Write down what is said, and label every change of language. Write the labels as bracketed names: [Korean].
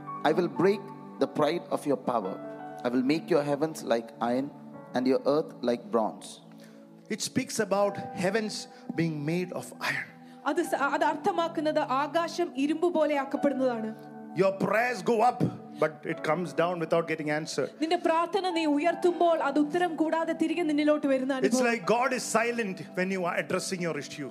[English] I will break the pride of your power. I will make your heavens like iron and your earth like bronze. It speaks about heavens being made of iron. [Malayalam] അത് അർത്ഥമാക്കുന്നത് ആകാശം ഇരുമ്പ് പോലെ ആക്കപ്പെടുന്നതാണ്. [English] Your prayers go up, but it comes down without getting answered. [Malayalam] നിന്റെ പ്രാർത്ഥന നീ ഉയർത്തുമ്പോൾ അത് ഉത്തരം കൂടാതെ തിരികെ നിന്നിലോട്ട് വരുന്ന അനുഭവം. [English] It's like God is silent when you are addressing your issues.